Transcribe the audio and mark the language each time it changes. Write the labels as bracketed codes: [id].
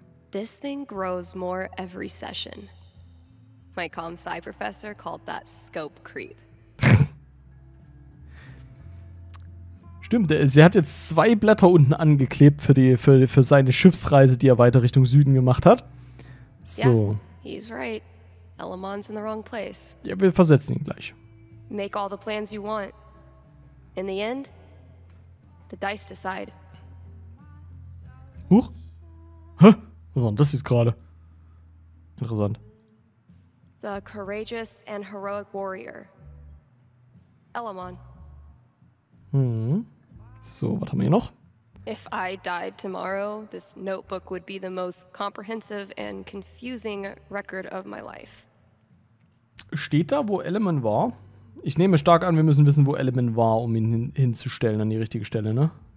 [en] This thing grows more every session. My comm sci professor called that scope creep. [de] Stimmt, sie hat jetzt zwei Blätter unten angeklebt für seine Schiffsreise, die er weiter Richtung Süden gemacht hat. So. [en] Yeah, he's right. Elamon's in the wrong place. [de] Ja, wir versetzen ihn gleich. [en] Make all the plans you want. In the end, the dice decide. Huch. Hä? [de] Was war denn das jetzt gerade? Interessant. [en] The courageous and heroic warrior. Elamon. [de] So, was haben wir hier noch? [en] If I died tomorrow, this notebook would be the most comprehensive and confusing record of my life. [de] Steht da, wo Elamon war? Ich nehme stark an, wir müssen wissen, wo Elamon war, um ihn hinzustellen an die richtige Stelle, ne?